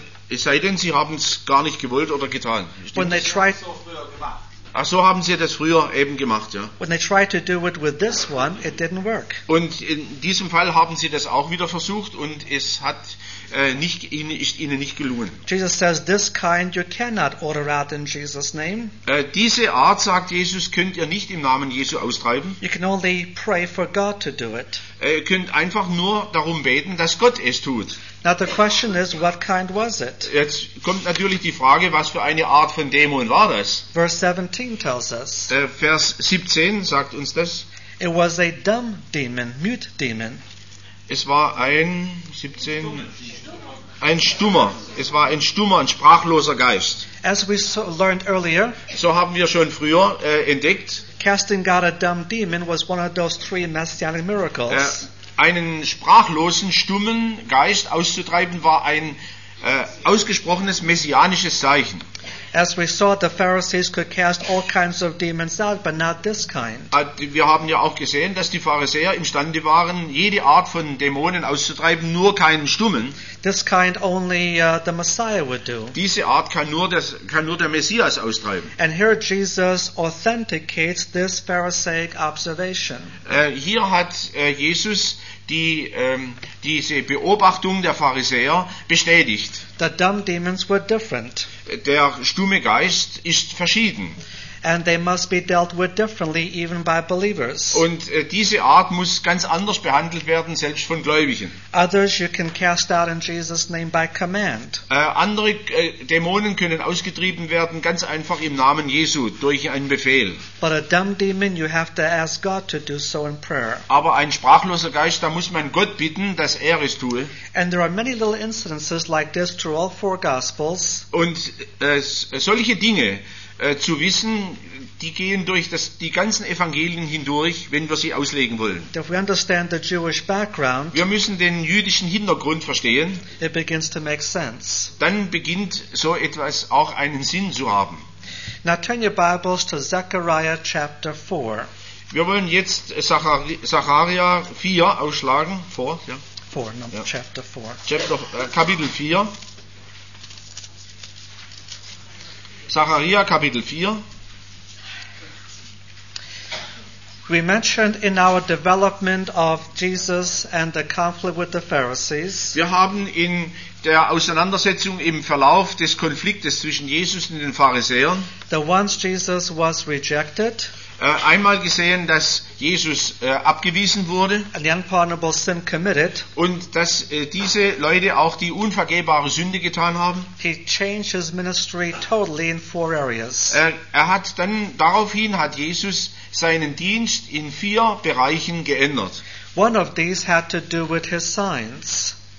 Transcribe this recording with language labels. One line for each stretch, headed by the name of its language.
German: Es sei denn, sie haben es gar nicht gewollt oder getan.
English: When they tried,
German: ach, so haben sie das früher eben gemacht, ja.
English: When they tried to do it with this one, it didn't work.
German: Und in diesem Fall haben sie das auch wieder versucht und es hat ist ihnen nicht gelungen.
English: Jesus says, this kind you cannot order out in Jesus' name.
German: Diese Art, sagt Jesus, könnt ihr nicht im Namen Jesu austreiben.
English: You can only pray for God to do it.
German: Ihr könnt einfach nur darum beten, dass Gott es tut.
English: Now the question is, what kind was it?
German: Jetzt kommt natürlich die Frage, was für eine Art von Dämon war das?
English: Verse 17 tells us.
German: Vers 17 sagt uns das.
English: It was a dumb demon, mute demon.
German: Es war ein stummer, ein sprachloser Geist.
English: As we learned earlier,
German: so haben wir schon früher entdeckt,
English: casting out a dumb demon was one of those three messianic miracles.
German: Einen sprachlosen, stummen Geist auszutreiben war ein ausgesprochenes messianisches Zeichen.
English: As we saw, the Pharisees could cast all kinds of demons out, but not this kind.
German: Wir haben ja auch gesehen, dass die Pharisäer imstande waren, jede Art von Dämonen auszutreiben, nur keinen Stummen.
English: This kind only the Messiah would do.
German: Diese Art kann nur der Messias austreiben.
English: And here Jesus authenticates this Pharisaic observation.
German: Hier hat Jesus die diese Beobachtung der Pharisäer bestätigt.
English: The dumb demons were different.
German: Der stumme Geist ist verschieden.
English: And they must be dealt with differently, even by believers.
German: Und diese Art muss ganz anders behandelt werden, selbst von Gläubigen.
English: Others you can cast out in Jesus' name by command.
German: Andere Dämonen können ausgetrieben werden ganz einfach im Namen Jesu durch einen Befehl.
English: But a dumb demon, you have to ask God to do so in prayer.
German: Aber ein sprachloser Geist, da muss man Gott bitten, dass er es tue.
English: And there are many little incidences like this through all four Gospels.
German: Und solche Dinge. Zu wissen, die gehen durch das, die ganzen Evangelien hindurch, wenn wir sie auslegen wollen.
English: If we understand the Jewish background,
German: wir müssen den jüdischen Hintergrund verstehen.
English: It begins to make sense.
German: Dann beginnt so etwas auch einen Sinn zu haben.
English: Now turn your Bibles to Zechariah chapter 4.
German: Wir wollen jetzt Zacharia 4 ausschlagen.
English: Chapter 4.
German: Kapitel 4. Zachariah Kapitel 4.
English: We mentioned in our development of Jesus and the conflict with the Pharisees.
German: Wir haben in der Auseinandersetzung im Verlauf des Konfliktes zwischen Jesus und den Pharisäern.
English: The once Jesus was rejected.
German: Einmal gesehen, dass Jesus abgewiesen wurde.
English: And the unpardonable sin committed.
German: Und dass diese Leute auch die unvergebbare Sünde getan haben.
English: He changed his ministry totally in four areas.
German: Er hat dann daraufhin hat Jesus seinen Dienst in vier Bereichen geändert.
English: One of these had to do with his signs.